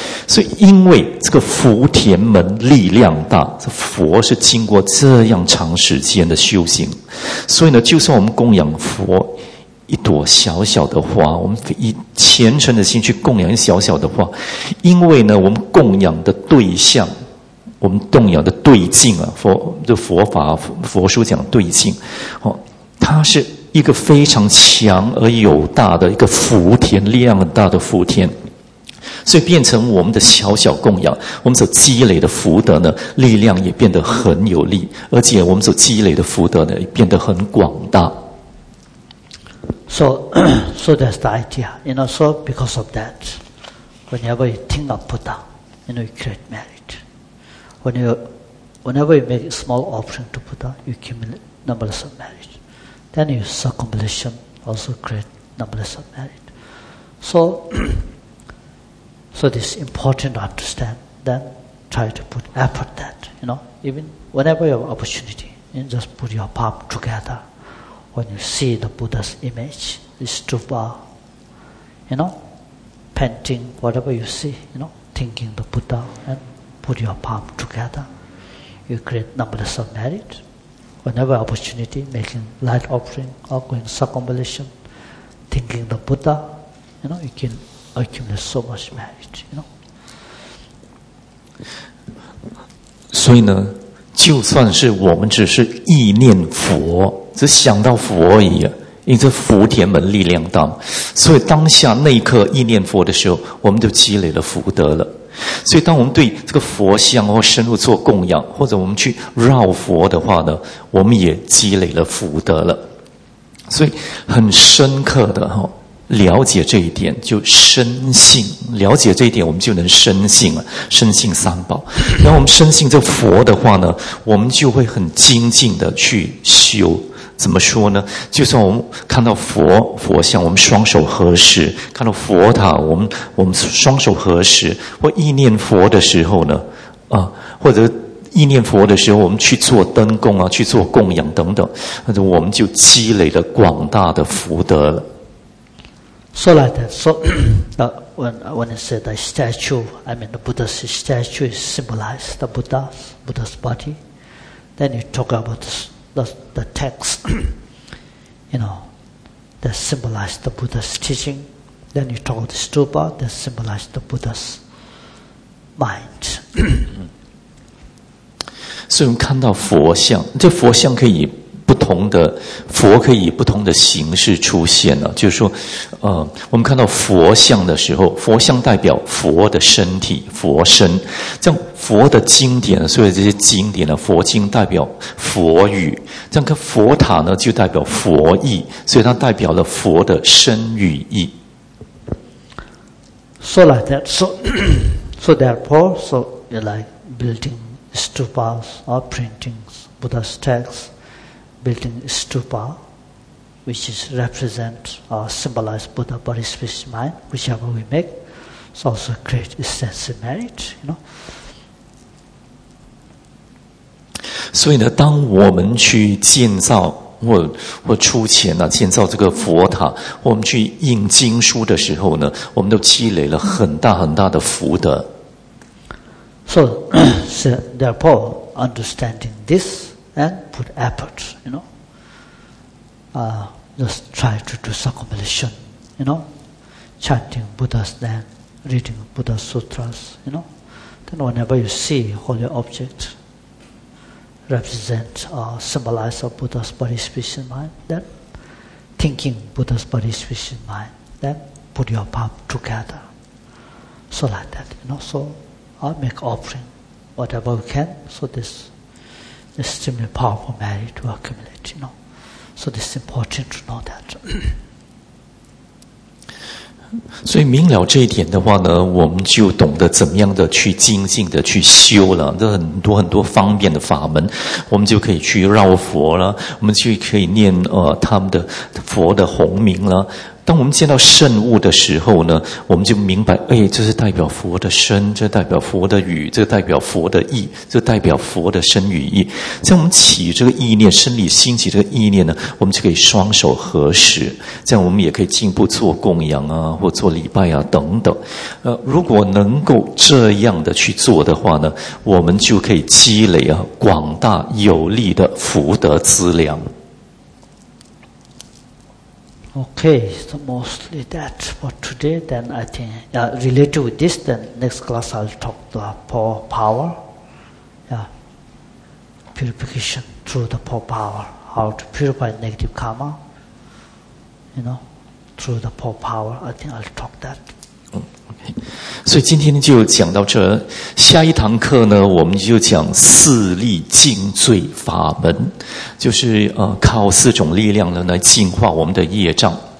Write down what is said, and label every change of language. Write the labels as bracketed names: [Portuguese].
[Chinese] 所以因为这个福田门力量大，这佛是经过这样长时间的修行，所以呢，就算我们供养佛一朵小小的花，我们以虔诚的心去供养小小的花，因为呢，我们供养的对象，我们动摇的对境啊，佛法佛书讲对境，哦，它是一个非常强而有大的一个福田，力量很大的福田，所以变成我们的小小供养，我们所积累的福德呢，力量也变得很有力，而且我们所积累的福德呢，也变得很广大。 [English] So that's the idea, you know. So because of that, whenever you think of Buddha, you know, you create merit. Whenever you make a small offering to Buddha, you accumulate numberless of merit. Then your circumambulation also create numberless of merit. So this is important to understand. Then try to put effort that, you know, even whenever you have opportunity, you just put your palm together, when you see the Buddha's image, it's too far. You know, painting, whatever you see, you know, thinking the Buddha, and put your palm together. You create numberless of merit. Whenever opportunity, making light offering, or going circumambulation, thinking the Buddha, you know, you can accumulate so much merit, you know. [Chinese] 所以呢，就算是我们只是意念佛，只想到佛而已，因为福田门力量大，所以当下那一刻意念佛的时候，我们就积累了福德了。所以当我们对这个佛像或深入做供养，或者我们去绕佛的话呢，我们也积累了福德了。所以很深刻的哈，了解这一点，就深信，了解这一点，我们就能深信了，深信三宝。然后我们深信这佛的话呢，我们就会很精进的去修。怎么说呢？就算我们看到佛像，我们双手合十；看到佛塔，我们双手合十；或意念佛的时候呢，或者意念佛的时候，我们去做灯供啊，去做供养等等，那就我们就积累了广大的福德了。 [English] So like that. So, when I say the statue, I mean the Buddha's statue is symbolized the Buddha's body. Then you talk about the text, you know, that symbolize the Buddha's teaching. Then you talk about the stupa, that symbolize the Buddha's mind. [Chinese] 所以我们看到佛像，这佛像可以不同的佛可以不同的形式出现了，就是说，我们看到佛像的时候，佛像代表佛的身体、佛身。这样佛的经典，所以这些经典呢，佛经代表佛语。这样个佛塔呢，就代表佛意，所以它代表了佛的身与意。 [English] So like that. So therefore, so like building stupas or paintings, Buddha's texts. Building stupa, which is represent or symbolize Buddha body, spirit, mind, whichever we make, it's also great sense of merit, you know. [Chinese] 所以呢，当我们去建造或出钱呢，建造这个佛塔，我们去印经书的时候呢，我们都积累了很大很大的福德。 [English] So therefore, understanding this. And put effort, you know. Just try to do circumambulation, you know. Chanting Buddha's name, reading Buddha's sutras, you know. Then whenever you see holy object represent or symbolize of Buddha's body, spirit, and mind, then thinking Buddha's body, spirit, and mind, then put your palm together. So like that, you know. So I make offering whatever we can, so thisExtremely powerful merit to accumulate, you know. So it's important to know that. [Chinese] 所以明了这一点的话呢，我们就懂得怎么样的去精进的去修了。这很多很多方便的法门，我们就可以去绕佛了，我们就可以念他们的佛的洪名了。当我们见到圣物的时候呢，我们就明白，哎，这是代表佛的身，这代表佛的语，这代表佛的意，这代表佛的身与意。在我们起这个意念，生理兴起这个意念呢，我们就可以双手合十，这样我们也可以进一步做供养啊，或做礼拜啊等等。如果能够这样的去做的话呢，我们就可以积累啊广大有力的福德资粮。 [English] Okay, so mostly that for today, then I think, related with this, then next class I'll talk the power, purification through the power, how to purify negative karma, you know, through the power, I think I'll talk that. [Chinese] 所以今天就讲到这，下一堂课呢，我们就讲四力净罪法门，就是靠四种力量呢来净化我们的业障。